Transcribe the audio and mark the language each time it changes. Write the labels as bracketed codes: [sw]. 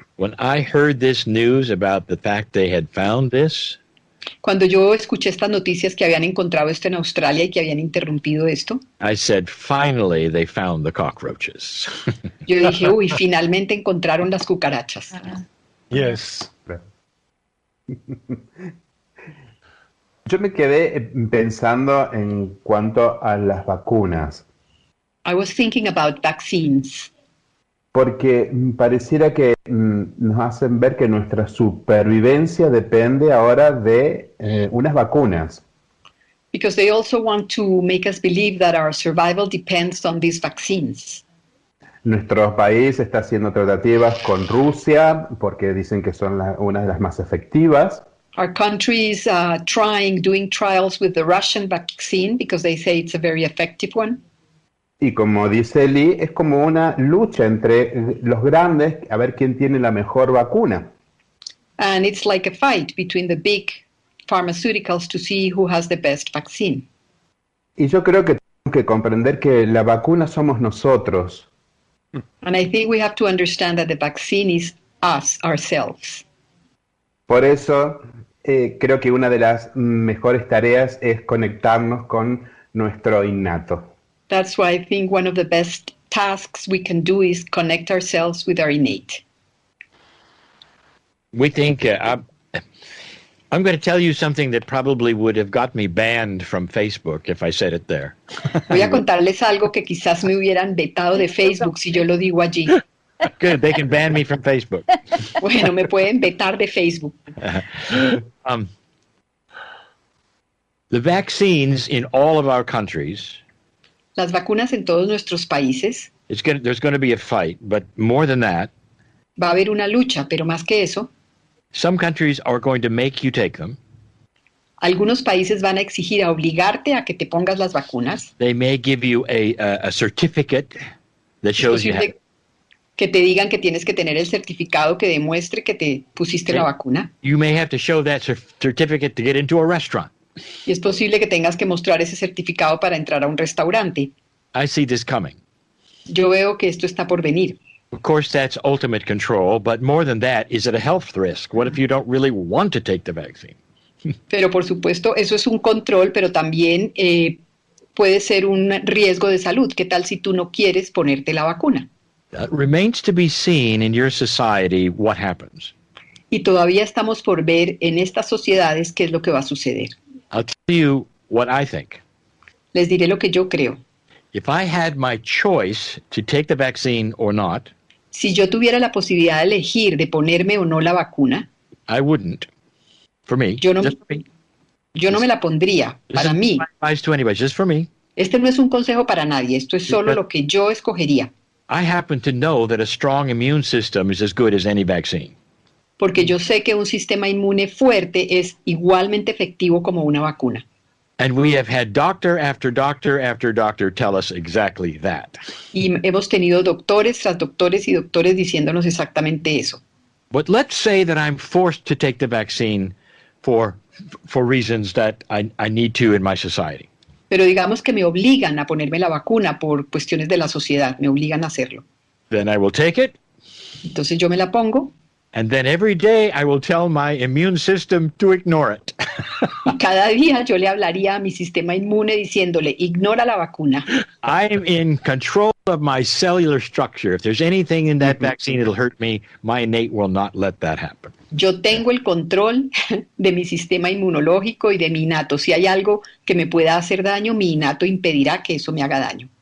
[en] When I heard this news about the fact they had found this, [es] cuando yo escuché estas noticias que habían encontrado esto en Australia y que habían interrumpido esto, [en] I said, finally they found the cockroaches. [es] Yo dije, uy, finalmente encontraron las cucarachas. [en] Yes. [es] Yo me quedé pensando en cuanto a las vacunas. [en] I was thinking about vaccines. [es] Porque pareciera que nos hacen ver que nuestra supervivencia depende ahora de unas vacunas. [en] Because they also want to make us believe that our survival depends on these vaccines. [es] Nuestro país está haciendo tratativas con Rusia porque dicen que son una de las más efectivas. [en] Our country is doing trials with the Russian vaccine because they say it's a very effective one. [es] Y como dice Lee, es como una lucha entre los grandes a ver quién tiene la mejor vacuna. [en] And it's like a fight between the big pharmaceuticals to see who has the best vaccine. [es] Y yo creo que tenemos que comprender que la vacuna somos nosotros. [en] And I think we have to understand that the vaccine is us, ourselves. [es] Por eso creo que una de las mejores tareas es conectarnos con nuestro innato. [en] That's why I think one of the best tasks we can do is connect ourselves with our innate. We think, I'm going to tell you something that probably would have got me banned from Facebook if I said it there. [es] Voy a contarles algo que quizás me hubieran vetado de Facebook si yo lo digo allí. [en] Good, they can ban me from Facebook. [es] Bueno, me pueden vetar de Facebook. [en] The vaccines in all of our countries. [es] Las vacunas en todos nuestros países. [en] There's going to be a fight, but more than that. [es] Va a haber una lucha, pero más que eso. [en] Some countries are going to make you take them. [es] Algunos países van a exigir, a obligarte a que te pongas las vacunas. [en] They may give you a certificate that shows you have. [es] Que te digan que tienes que tener el certificado que demuestre que te pusiste la vacuna. [en] You may have to show that certificate to get into a restaurant. [es] Y es posible que tengas que mostrar ese certificado para entrar a un restaurante. [en] I see this coming. [es] Yo veo que esto está por venir. [en] Of course, that's ultimate control, but more than that, is it a health risk? What if you don't really want to take the vaccine? [es] Pero por supuesto, eso es un control, pero también puede ser un riesgo de salud. ¿Qué tal si tú no quieres ponerte la vacuna? [en] That remains to be seen in your society what happens. [es] Y todavía estamos por ver en estas sociedades qué es lo que va a suceder. [en] I'll tell you what I think. [es] Les diré lo que yo creo. [en] If I had my choice to take the vaccine or not, [es] si yo tuviera la posibilidad de elegir de ponerme o no la vacuna, [en] I wouldn't. For me. [es] Yo no me la pondría. Para mí. [en] This is not my advice to anybody, just for me. [es] Este no es un consejo para nadie. Esto es solo lo que yo escogería. [en] I happen to know that a strong immune system is as good as any vaccine. [es] Porque yo sé que un sistema inmune fuerte es igualmente efectivo como una vacuna. [en] And we have had doctor after doctor after doctor tell us exactly that. [es] Y hemos tenido doctores tras doctores y doctores diciéndonos exactamente eso. [en] But let's say that I'm forced to take the vaccine for reasons that I need to in my society. [es] Pero digamos que me obligan a ponerme la vacuna por cuestiones de la sociedad, me obligan a hacerlo. [en] Then I will take it. [es] Entonces yo me la pongo. [en] And then every day I will tell my immune system to ignore it. [es] Y cada día yo le hablaría a mi sistema inmune diciéndole, ignora la vacuna. [en] I am in control of my cellular structure. If there's anything in that mm-hmm. vaccine that'll hurt me, my innate will not let that happen. [es] Yo tengo el control de mi sistema inmunológico y de mi innato. Si hay algo que me pueda hacer daño, mi innato impedirá que eso me haga daño.